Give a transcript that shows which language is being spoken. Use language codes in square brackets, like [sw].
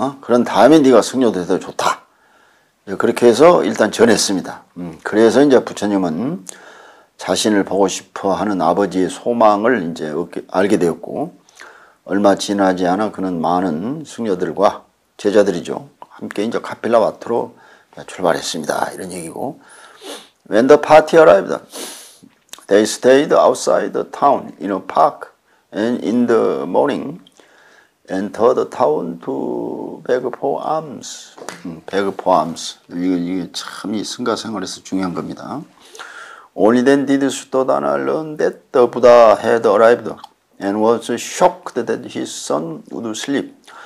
[ko] 그런 다음에 네가 승려돼서 좋다. 그렇게 해서 일단 전했습니다. 그래서 이제 부처님은 자신을 보고 싶어하는 아버지의 소망을 이제 알게 되었고, 얼마 지나지 않아 그는 많은 승려들과 제자들이죠, 함께 이제 카필라와트로 출발했습니다. 이런 얘기고. [en] When the party arrived, they stayed outside the town in a park and in the morning entered the town to beg for alms. Beg for alms. [ko] 이게 참 이 승가생활에서 중요한 겁니다. [en] Only then did Suddhodana learn that the Buddha had arrived and was shocked that his son would sleep.